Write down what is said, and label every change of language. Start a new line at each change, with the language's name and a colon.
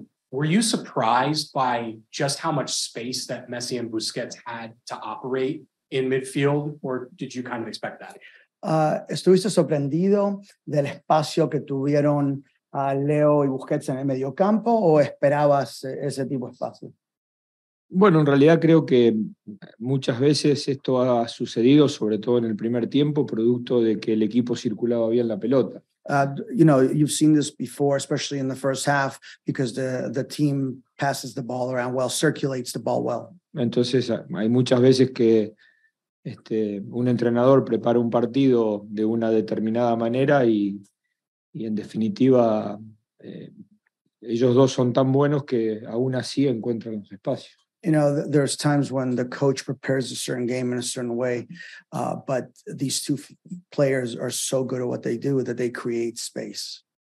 English: Were you surprised by just how much space that Messi and Busquets had to operate in midfield, or did you kind of expect that?
Spanish: Estuviste sorprendido del espacio que tuvieron Leo y Busquets en el medio campo, o esperabas ese tipo de espacio? Bueno, en realidad creo que muchas veces esto ha sucedido, sobre todo en el primer tiempo, producto de que el equipo circulaba bien la pelota.
English: You know, you've seen this before, especially in the first half, because the team passes the ball around well, circulates the ball well.
Spanish: Entonces, hay muchas veces que un entrenador prepara un partido de una determinada manera y en definitiva, ellos dos son tan buenos que aún así encuentran los espacios.
English: You know, there's times when the coach prepares a certain game in a certain way, but these two players are so good at what they do that they create space.